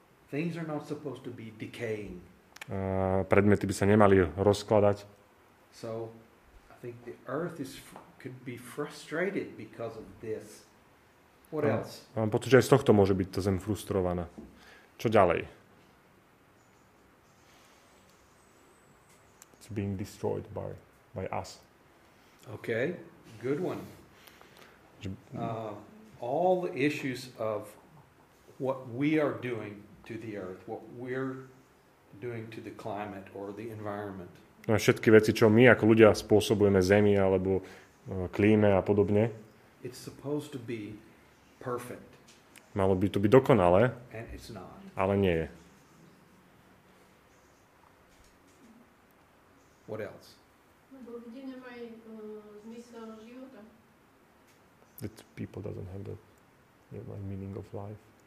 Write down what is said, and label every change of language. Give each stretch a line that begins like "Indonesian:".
English: Things are not supposed to be decaying.
Slovak: Predmety by sa nemali rozkladať.
English: So I think the earth could be frustrated because of this. What else?
Slovak: Mám pocit, že aj z tohto môže byť tá zem frustrovaná. Čo ďalej?
English: Being destroyed by us. Okay, good one. All the issues of what we are doing to the earth, what we're doing to the climate or the environment.
Slovak: No, všetky veci, čo my ako ľudia spôsobujeme zemi alebo klíme a podobne.
English: It's supposed to be perfect.
Slovak: Malo by to byť dokonalé.
English: And it's not.
Slovak: Ale nie je.
English: What else?
Slovak: Lebo ľudia nemajú zmysel života.
English: That people doesn't have the meaning of life.